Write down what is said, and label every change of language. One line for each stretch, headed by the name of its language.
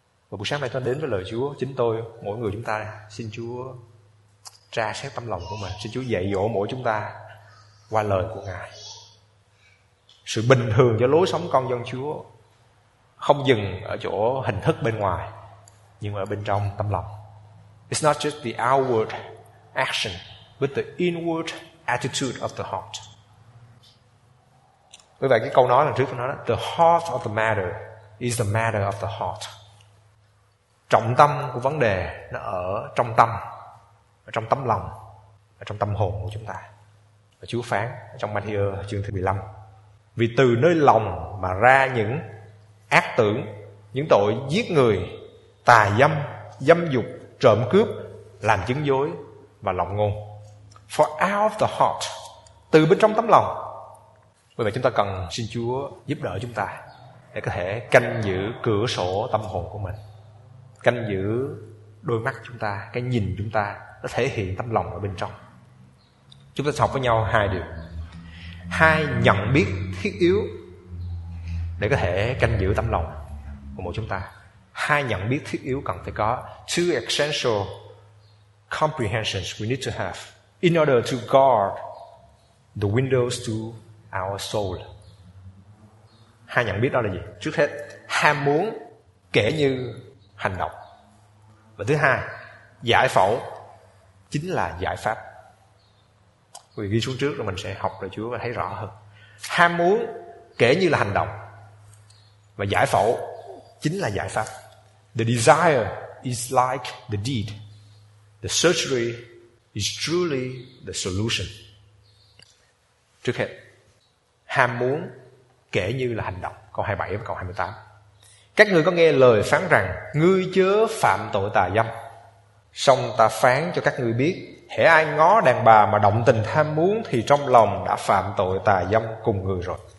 Vietnamese: Và buổi sáng nay tôi đến với lời Chúa, chính tôi, mỗi người chúng ta, xin Chúa tra xét tâm lòng của mình, xin Chúa dạy dỗ mỗi chúng ta qua lời của Ngài. Sự bình thường cho lối sống con dân Chúa không dừng ở chỗ hình thức bên ngoài, nhưng ở bên trong tâm lòng.
English: It's not just the outward action, but the inward attitude of the heart.
Vietnamese: Bởi vậy cái câu nói lần trước tôi nói đó,
English: the heart of the matter is the matter of the heart.
Vietnamese: Trọng tâm của vấn đề nó ở trong tâm, ở trong tâm lòng, ở trong tâm hồn của chúng ta. Và Chúa phán trong Matthew chương thứ 15, vì từ nơi lòng mà ra những ác tưởng, những tội giết người, tà dâm, dâm dục, trộm cướp, làm chứng dối và lọng ngôn.
English: For out of the heart,
Vietnamese: từ bên trong tấm lòng. Bởi vậy chúng ta cần xin Chúa giúp đỡ chúng ta để có thể canh giữ cửa sổ tâm hồn của mình, canh giữ đôi mắt chúng ta, cái nhìn chúng ta, nó thể hiện tấm lòng ở bên trong. Chúng ta học với nhau hai điều, hai nhận biết thiết yếu để có thể canh giữ tâm lòng của mỗi chúng ta. Hai nhận biết thiết yếu cần phải có.
English: Two essential comprehensions we need to have in order to guard the windows to our soul.
Vietnamese: Hai nhận biết đó là gì? Trước hết, ham muốn kể như hành động. Và thứ hai, giải phẫu chính là giải pháp. Quý vị ghi xuống trước rồi mình sẽ học lời Chúa và thấy rõ hơn. Ham muốn kể như là hành động, và giải phẫu chính là giải pháp.
English: The desire is like the deed. The surgery is truly the solution.
Vietnamese: Trước hết, ham muốn kể như là hành động, câu 27 và câu 28. Các ngươi có nghe lời phán rằng ngươi chớ phạm tội tà dâm, song ta phán cho các ngươi biết, hễ ai ngó đàn bà mà động tình ham muốn thì trong lòng đã phạm tội tà dâm cùng người rồi.